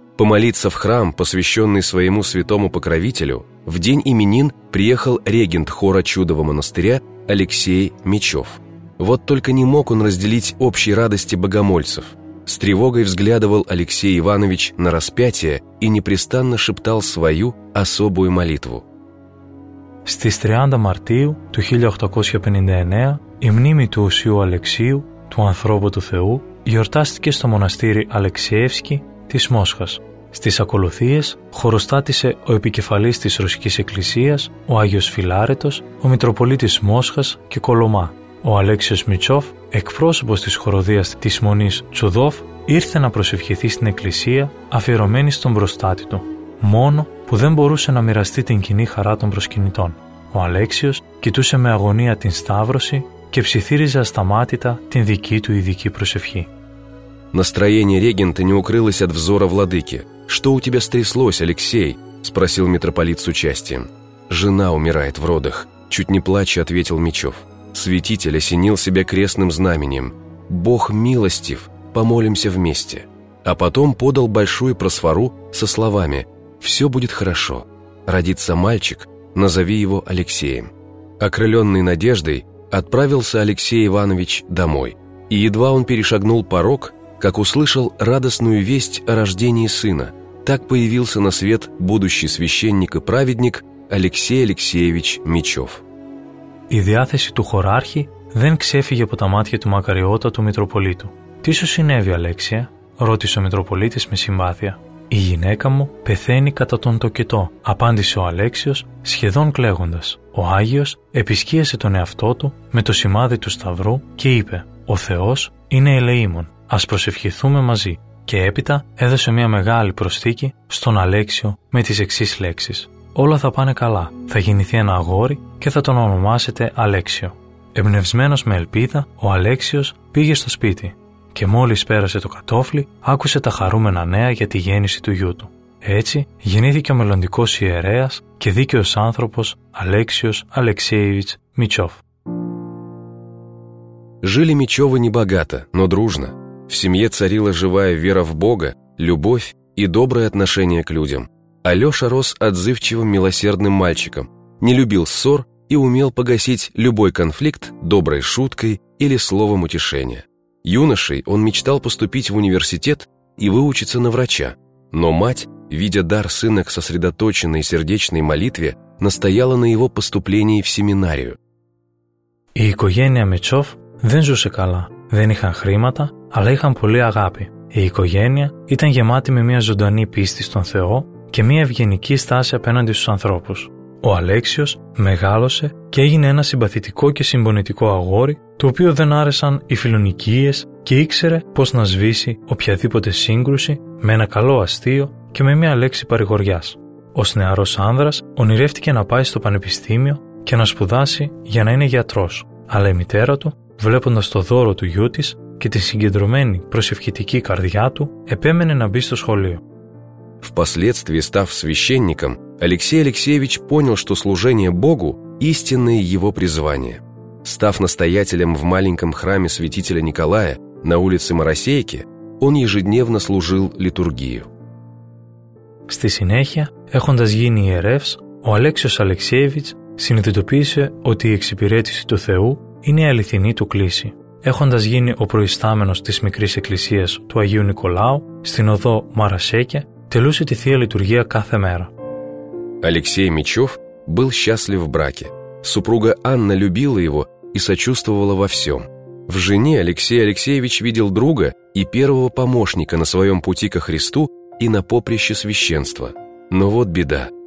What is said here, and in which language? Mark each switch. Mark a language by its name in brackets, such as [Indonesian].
[Russian] Помолиться в храм, посвященный своему святому покровителю, в день именин приехал регент хора Чудового монастыря Алексей Мечов. Вот только не мог он разделить общей радости богомольцев. С тревогой взглядывал Алексей Иванович на распятие и непрестанно шептал свою особую молитву. [Greek] Στις 30 Μαρτίου του 1859 η μνήμη του Οσίου Αλεξίου, του ανθρώπου του Θεού, γιορτάστηκε στο μοναστήρι Αλεξιεύσκι της Μόσχας. Στις ακολουθίες χωροστάτησε ο επικεφαλής της Ρωσικής Εκκλησίας, ο Άγιος Φιλάρετος, ο Μητροπολίτης Μόσχας και Κολωμά. Ο Αλέξιος Μητσόφ, εκπρόσωπος της χοροδίας της Μονής Τσουδόφ, ήρθε να προσευχηθεί στην εκκλησία αφιερωμένη στον προστάτη του, μόνο που δεν μπορούσε να μοιραστεί την κοινή χαρά των προσκυνητών. Ο Αλέξιος κοιτούσε με αγωνία την Σταύρωση και ψιθύριζε ασταμάτητα την δική του ειδική προσευχή. [Russian] Настроение регента не укрылось от взора владыки. «Что у тебя стряслось, Алексей?» – спросил митрополит с участием. «Жена умирает в родах», – чуть не плача ответил Мечов. «Святитель осенил себя крестным знаменем. Бог милостив, помолимся вместе». А потом подал большую просфору со словами: «Все будет хорошо. Родится мальчик, назови его Алексеем». Окрыленный надеждой, отправился Алексей Иванович домой. И едва он перешагнул порог, как услышал радостную весть о рождении сына. Так появился на свет будущий священник и праведник Алексей Алексеевич Мечов. [Greek] Η διάθεση του χωράρχη δεν ξέφυγε από τα μάτια του μακαριότατου Μητροπολίτου. «Τι σου συνέβη, Αλέξια?» ρώτησε ο Μητροπολίτης με συμπάθεια. «Η γυναίκα μου πεθαίνει κατά τον τοκετό», απάντησε ο Αλέξιος σχεδόν κλαίγοντας. Ο Άγιος επισκίασε τον εαυτό του με το σημάδι του Σταυρού και είπε: «Ο Θεός είναι ελεήμων. Ας προσευχηθούμε μαζί». Και έπειτα έδωσε μια μεγάλη προσθήκη στον Αλέξιο με τις εξής λέξεις: «Όλα θα πάνε καλά. Θα γεννηθεί ένα αγόρι και θα τον ονομάσετε Αλέξιο». Εμπνευσμένος με ελπίδα, ο Αλέξιος πήγε στο σπίτι και μόλις πέρασε το κατώφλι, άκουσε τα χαρούμενα νέα για τη γέννηση του γιού του. Έτσι γεννήθηκε ο μελλοντικός ιερέας και δίκαιος άνθρωπος Αλέξιος Αλεξέιβιτς Μητσόφ. [Russian] Жили Мечёвы не богато, но дружно. В семье царила живая вера в Бога, любовь и доброе отношение к людям. Алёша рос отзывчивым, милосердным мальчиком, не любил ссор и умел погасить любой конфликт доброй шуткой или словом утешения. Юношей он мечтал поступить в университет и выучиться на врача, но мать, видя дар сына к сосредоточенной сердечной молитве, настояла на его поступлении в семинарию. [Greek] Η οικογένεια Мечов δεν ζούσε καλά, δεν είχαν χρήματα, αλλά είχαν πολύ αγάπη. Η οικογένεια ήταν γεμάτη με μια ζωντανή πίστη στον Θεό και μια ευγενική στάση απέναντι στους ανθρώπους. Ο Αλέξιος μεγάλωσε και έγινε ένα συμπαθητικό και συμπονετικό αγόρι, το οποίο δεν άρεσαν οι φιλονικίες και ήξερε πώς να σβήσει οποιαδήποτε σύγκρουση με ένα καλό αστείο και με μια λέξη παρηγοριάς. Ως νεαρός άνδρας ονειρεύτηκε να πάει στο πανεπιστήμιο και να σπουδάσει για να είναι γιατρός, αλλά η μητέρα του, βλέποντας το δώρο του γιού της και τη συγκεντρωμένη προσευχητική καρδιά του, επέμενε να μπει στο σχολείο. [Russian] Впоследствии, став священником, Алексей Алексеевич понял, что служение Богу – истинное его призвание. Став настоятелем в маленьком храме святителя Николая на улице Моросейки, он ежедневно служил литургию. [Greek] Στη συνέχεια, έχοντας γίνει ιερεύς, ο Αλέξιος Αλεξιέβιτς συνειδητοποίησε ότι η εξυπηρέτηση του Θεού είναι η αληθινή του κλίση. Έχοντας γίνει ο προϊστάμενος της μικρής εκκλησίας του Αγίου Νικολάου στην οδό Μαρασέκε, τελούσε τη Θεία Λειτουργία κάθε μέρα. [Russian] Алексей Мичев был счастлив в браке. Супруга Анна любила его и сочувствовала во всем. В жене Алексей Алексеевич видел друга и первого помощника на своем пути ко Христу и на поприще священства. Но вот беда.